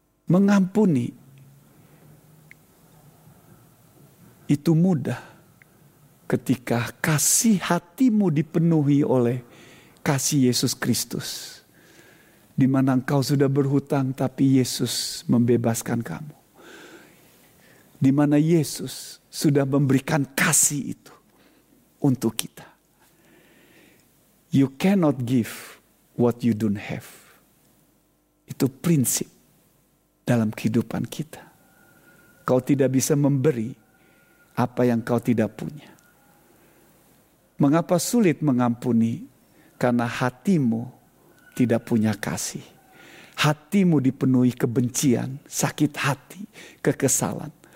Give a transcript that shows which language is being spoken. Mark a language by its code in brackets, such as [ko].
[id] Mengampuni itu mudah ketika kasih hatimu dipenuhi oleh kasih Yesus Kristus. Di mana engkau sudah berhutang tapi Yesus membebaskan kamu. Di mana Yesus sudah memberikan kasih itu untuk kita. [en] You cannot give what you don't have. [id] Itu prinsip dalam kehidupan kita. Kau tidak bisa memberi apa yang kau tidak punya. Mengapa sulit mengampuni? Karena hatimu tidak punya kasih. Hatimu dipenuhi kebencian, sakit hati, kekesalan.